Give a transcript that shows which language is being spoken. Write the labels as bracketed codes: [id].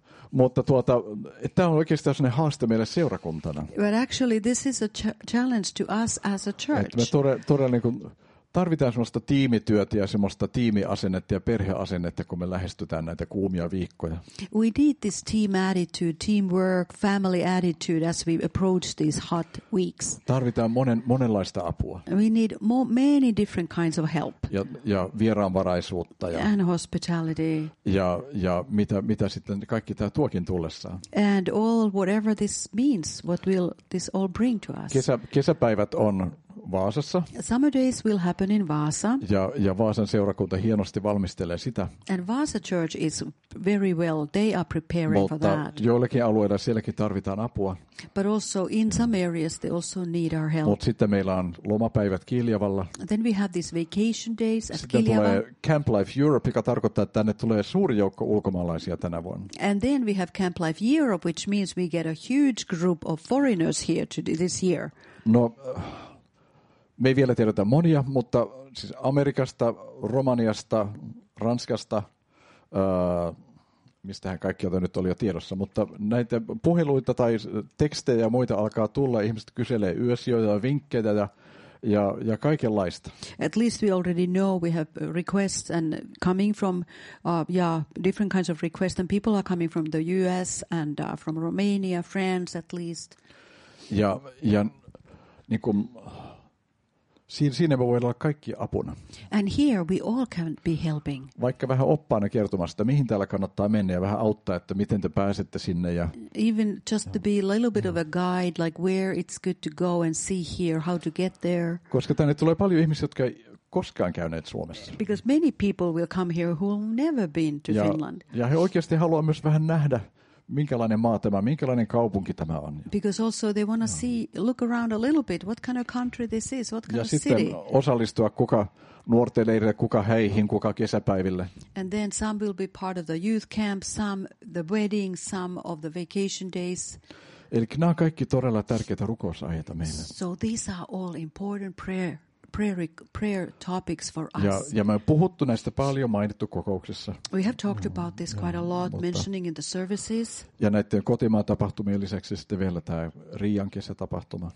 [fi] Mutta tämä on oikeastaan sellainen haaste meille seurakuntana. [en] But actually this is a challenge to us as a church. [fi] Että me todella niin kuin tarvitaan semmoista tiimityötä ja semmoista tiimiasennetta ja perheasennetta, kun me lähestytään näitä kuumia viikkoja. [en] We need this team attitude, teamwork, family attitude as we approach these hot weeks. [fi] Tarvitaan monenlaista apua. [en] We need many different kinds of help. [fi] Ja vieraanvaraisuutta. [en] And hospitality. [fi] Ja mitä sitten kaikki tämä tuokin tullessaan. [en] And all whatever this means, what will this all bring to us. [fi] Kesäpäivät on Vaasassa. [en] Summer days will happen in Vaasa. [fi] Ja Vaasan seurakunta hienosti valmistelee sitä. [en] And Vaasa Church is very well. They are preparing [fi] Mutta [en] for that. [fi] Mutta joillakin alueilla sielläkin tarvitaan apua. [en] But also in some areas they also need our help. [fi] Mutta sitten meillä on lomapäivät Kiljavalla. [en] Then we have these vacation days at Kiljava. [fi] Sitten tulee Camp Life Europe, joka tarkoittaa, että tänne tulee suuri joukko ulkomaalaisia tänä vuonna. [en] And then we have Camp Life Europe, which means we get a huge group of foreigners here today, this year. [fi] No, me ei vielä tiedetä monia, mutta siis Amerikasta, Romaniasta, Ranskasta, mistähän kaikkialta nyt oli jo tiedossa, mutta näitä puheluita tai tekstejä ja muita alkaa tulla. Ihmiset kyselee yösijoja ja vinkkejä ja kaikenlaista. [en] At least we already know we have requests and coming from different kinds of requests, and people are coming from the US and from Romania, France at least. [fi] Ja niin kuin siinä me voidaan olla kaikki apuna. [en] And here we all can be helping. [fi] Vaikka vähän oppaana kertomassa, että mihin täällä kannattaa mennä ja vähän auttaa, että miten te pääsette sinne ja [en] even just to be a little bit of a guide, like where it's good to go and see here, how to get there. [fi] Koska tänne tulee paljon ihmisiä, jotka ei koskaan käyneet Suomessa. [en] Because many people will come here who have never been to Finland. [fi] Ja he oikeasti haluaa myös vähän nähdä. Minkälainen maa tämä, minkälainen kaupunki tämä on? [en] Because also they want to see, look around a little bit, what kind of country this is, what kind [fi] ja [en] of city. [fi] Ja sitten osallistua kuka nuorten leirille, kuka häihin, kuka kesäpäiville. [en] And then some will be part of the youth camp, some the wedding, some of the vacation days. [fi] Eli nämä on kaikki todella tärkeitä rukousaiheita meille. [en] So these are all important prayer topics for us. [fi] Ja me on puhuttu näistä paljon mainittu kokouksessa. [en] We have talked about this quite a lot, mentioning in the services. [fi] Ja näiden kotimaan tapahtumien lisäksi sitten vielä tämä Riian kesätapahtuma.